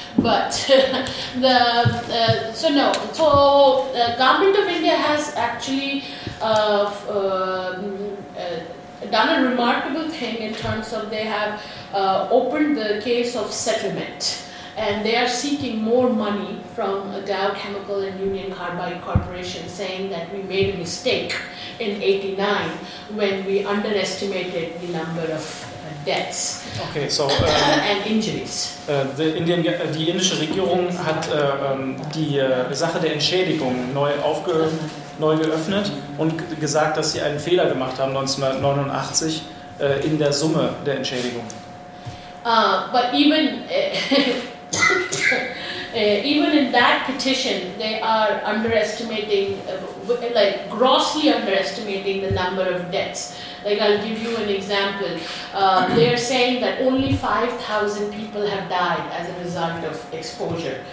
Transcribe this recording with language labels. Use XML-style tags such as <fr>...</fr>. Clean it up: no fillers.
<en>But the government of India has actually done a remarkable thing in terms of they have opened the case of settlement and they are seeking more money from Dow Chemical and Union Carbide Corporation, saying that we made a mistake in 89 when we underestimated the number of deaths. Okay, so and injuries.</en> <de>Die indische Regierung hat die Sache der Entschädigung neu geöffnet und gesagt, dass sie einen Fehler gemacht haben 1989 in der Summe der Entschädigung.</de> <en>But even in that petition, they are underestimating, like grossly underestimating the number of deaths. Like I'll give you an example. They are saying that only 5,000 people have died as a result of exposure.</en>